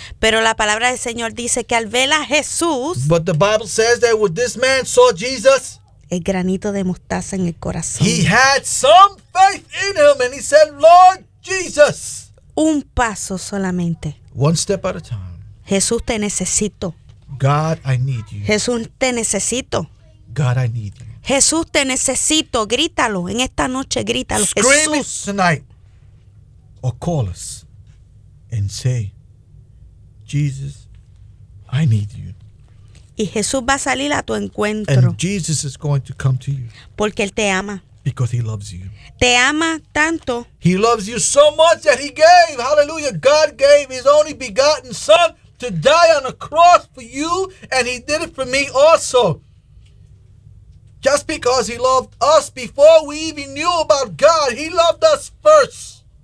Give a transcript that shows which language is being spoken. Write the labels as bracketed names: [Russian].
[Spanish] Pero la palabra del Señor dice que al ver a Jesús. [English] But the Bible says that when this man saw Jesus. [Spanish] El granito de mostaza en el corazón. [English] He had some faith in him and he said, Lord Jesus. [Spanish] Un paso solamente. [English] One step at a time. [Spanish] Jesús, te necesito. [English] God, I need you. [Spanish] Jesús, te necesito. [English] God, I need you. [Spanish] Jesús, te necesito. Grítalo. En esta noche, grítalo. [English] Scream [Spanish] Jesús. [English] It tonight. Or call us and say, Jesus, I need you. [Spanish] Y Jesús va a salir a tu encuentro. [English] And Jesus is going to come to you. [Spanish] Porque Él te ama. [English] Because He loves you. [Spanish] Te ama tanto. [English] He loves you so much that He gave. Hallelujah. God gave His only begotten Son to die on a cross for you. And He did it for me also. Just because He loved us before we even knew about God, He loved us first.